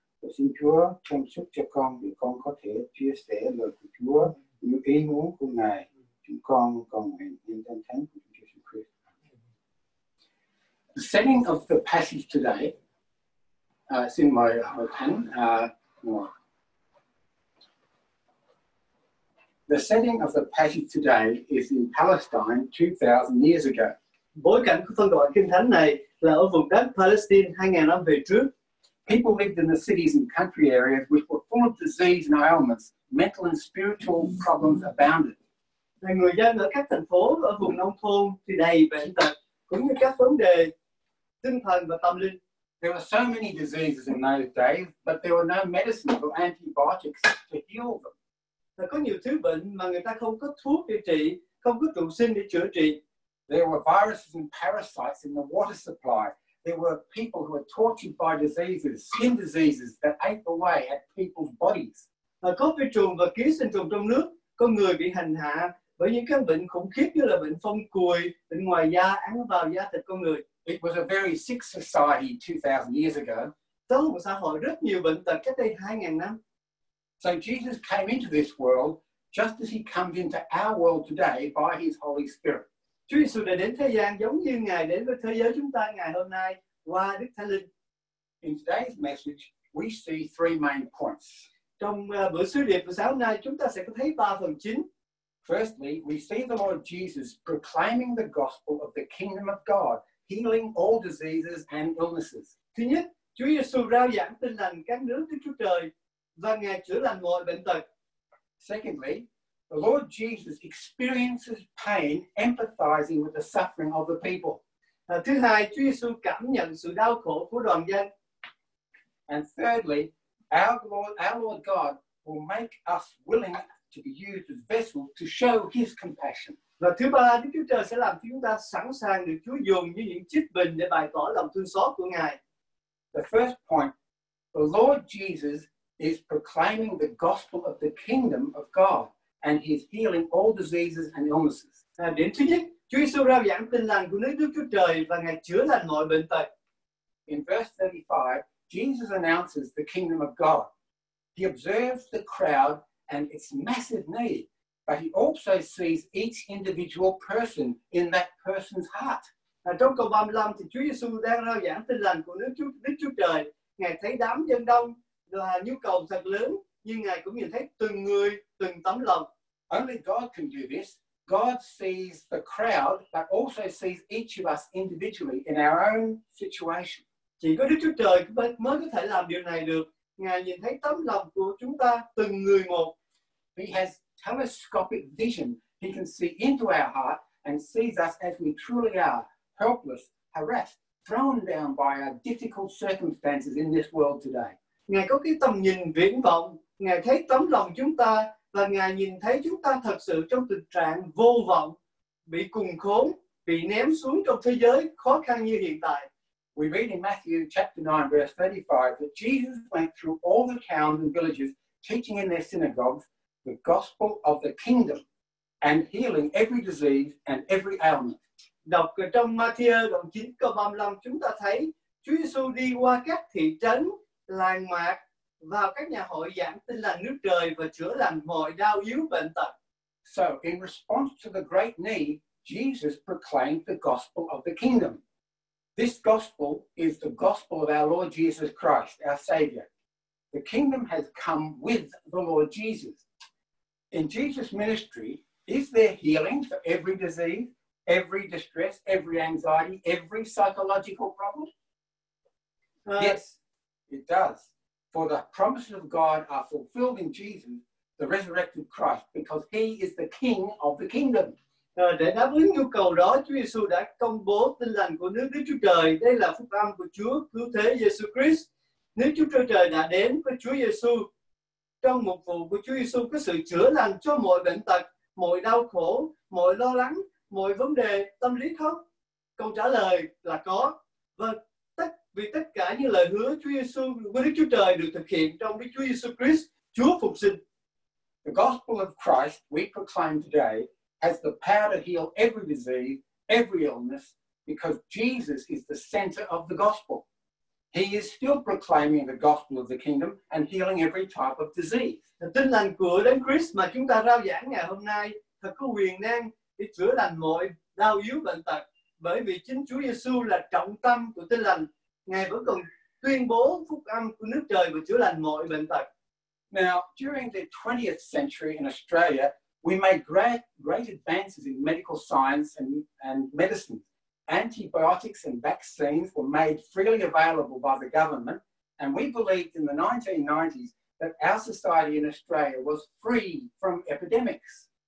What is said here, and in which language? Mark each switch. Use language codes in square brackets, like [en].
[vi] Và xin Chúa thông suốt cho con để con có thể chia sẻ lời của Chúa như ý muốn của Ngài. Chúng con cầu nguyện trong danh thánh của Chúa Jesus Christ. [en] The setting of the passage today, [vi] xin mời hội thánh ngồi. [en] The setting of the passage today is in Palestine 2,000 years ago. [vi] Bối cảnh của phân đoạn kinh thánh này là ở vùng đất Palestine 2000 năm về trước. [en] People lived in the cities and country areas which were full of disease and ailments, mental and spiritual problems abounded. [vi] Người dân ở các thành phố ở vùng nông thôn thì đầy bệnh tật cũng như các vấn đề tinh thần và tâm linh. [en] There were so many diseases in those days, but there were no medicines or antibiotics to heal them. [vi] Có nhiều thứ bệnh mà người ta không có thuốc điều trị, không có trụ sinh để chữa trị. [en] There were viruses and parasites in the water supply. There were people who were tortured by diseases, skin diseases that ate away at people's bodies. [vi] Có vi trùng và ký sinh trùng trong nước, có người bị hành hạ bởi những căn bệnh khủng khiếp như là bệnh phong cùi, bệnh ngoài da ăn vào da thịt con người. [en] It was a very sick society 2000 years ago. [vi] Đó là một xã hội rất nhiều bệnh tật cách đây 2000 năm. [en] So Jesus came into this world just as he comes into our world today by his Holy Spirit. [vi] Chúa Giêsu đã đến thế gian giống như Ngài đến với thế giới chúng ta ngày hôm nay qua Đức Thánh Linh. [en] In today's message, we see three main points. [vi] Trong bữa sứ điệp của sáng nay, chúng ta sẽ có thấy ba phần chính. [en] Firstly, we see the Lord Jesus proclaiming the gospel of the kingdom of God, healing all diseases and illnesses. [vi] Thứ nhất, Chúa Giêsu rao giảng tin lành các nước Đức Chúa Trời và Ngài chữa lành mọi bệnh tật. [en] Secondly, the Lord Jesus experiences pain, empathizing with the suffering of the people. [vi] Thứ hai, Chúa Giêsu cảm nhận sự đau khổ của đoàn dân. [en] And thirdly, our Lord God will make us willing to be used as vessels to show His compassion. [vi] Và thứ ba, Đức Chúa Trời sẽ làm chúng ta sẵn sàng được Chúa dùng như những chiếc bình để bày tỏ lòng thương xót của Ngài. [en] The first point, the Lord Jesus is proclaiming the gospel of the kingdom of God and he's healing all diseases and illnesses. [vi] Điểm thứ nhất, Chúa Giêsu rao giảng tin lành của nước Đức Chúa Trời và Ngài chữa lành mọi bệnh tật. [en] In verse 35, Jesus announces the kingdom of God. He observes the crowd and its massive need, but he also sees each individual person in that person's heart. [vi] Trong câu 35 thì Chúa Giêsu đang rao giảng tin lành của nước Đức Chúa Trời. Ngài thấy đám dân đông là nhu cầu thật lớn, nhưng Ngài cũng nhìn thấy từng người, từng tấm lòng. [en] Only God can do this. God sees the crowd, but also sees each of us individually in our own situation. [vi] Chỉ có Đức Chúa Trời mới có thể làm điều này được. Ngài nhìn thấy tấm lòng của chúng ta, từng người một. [en] He has telescopic vision. He can see into our heart and sees us as we truly are, helpless, harassed, thrown down by our difficult circumstances in this world today. [vi] Ngài có cái tầm nhìn viễn vọng, Ngài thấy tấm lòng chúng ta và Ngài nhìn thấy chúng ta thật sự trong tình trạng vô vọng, bị cùng khốn, bị ném xuống trong thế giới khó khăn như hiện tại. [en] We read in Matthew chapter 9 verse 35 that Jesus went through all the towns and villages teaching in their synagogues the gospel of the kingdom and healing every disease and every ailment. [vi] Đọc trong Matthew đoạn 9 câu 35 chúng ta thấy Chúa Giêsu đi qua các thị trấn làng mạc vào các nhà hội giảng tin lành nước trời và chữa lành mọi đau yếu bệnh tật. [en] So in response to the great need, Jesus proclaimed the gospel of the kingdom. This gospel is the gospel of our Lord Jesus Christ, our Savior. The kingdom has come with the Lord Jesus. In Jesus' ministry, is there healing for every disease, every distress, every anxiety, every psychological problem? Yes, it does. For the promises of God are fulfilled in Jesus, the resurrected Christ, because he is the King of the kingdom. [vi] Để đáp ứng nhu cầu đó, Chúa Giêsu đã công bố tin lành của nước Đức Chúa Trời. Đây là phúc âm của Chúa cứu thế Jesus Christ. Nước Chúa Trời đã đến với Chúa Giêsu. Trong mục vụ của Chúa Giêsu có sự chữa lành cho mọi bệnh tật, mọi đau khổ, mọi lo lắng, mọi vấn đề tâm lý không? Câu trả lời là có. Vâng, vì tất cả những lời hứa Chúa Giêsu với Đức Chúa Trời được thực hiện trong Đức Chúa Giêsu Christ, Chúa phục sinh. [en] The gospel of Christ we proclaim today has the power to heal every disease, every illness, because Jesus is the center of the gospel. He is still proclaiming the gospel of the kingdom and healing every type of disease. [vi] Tin lành của Đấng Christ mà chúng ta rao giảng ngày hôm nay thật có quyền năng để chữa lành mọi đau yếu bệnh tật, bởi vì chính Chúa Giêsu là trọng tâm của tin lành. Ngài vẫn còn tuyên bố phúc âm của nước trời và chữa lành mọi bệnh tật. [en] Now, during the 20th century in Australia, we made great advances in medical science and medicine. Antibiotics and vaccines were made freely available by the government, and we believed in the 1990s that our society in Australia was free from epidemics.